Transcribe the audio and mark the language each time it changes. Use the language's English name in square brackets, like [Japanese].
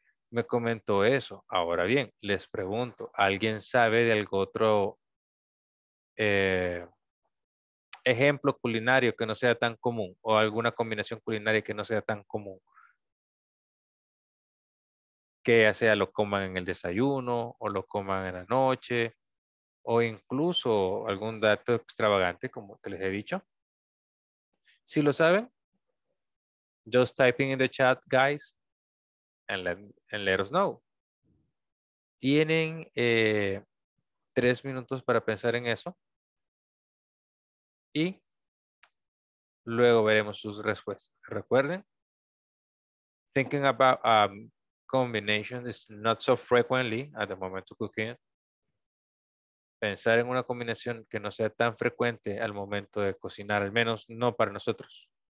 [Spanish] Me comentó eso. Ahora bien, les pregunto, ¿alguien sabe de algún otro ejemplo culinario que no sea tan común o alguna combinación culinaria que no sea tan común que ya sea lo coman en el desayuno o lo coman en la noche o incluso algún dato extravagante como que les he dicho. Si lo saben, [English] just typing in the chat, guys, and let us know. [Spanish] Tienen 3 minutos para pensar en eso. Y luego veremos sus respuestas. Recuerden, [English] thinking about combination is not so frequently at the moment of cooking. [Spanish] Pensar en una combinación que no sea tan frecuente al momento de cocinar, al menos no para nosotros.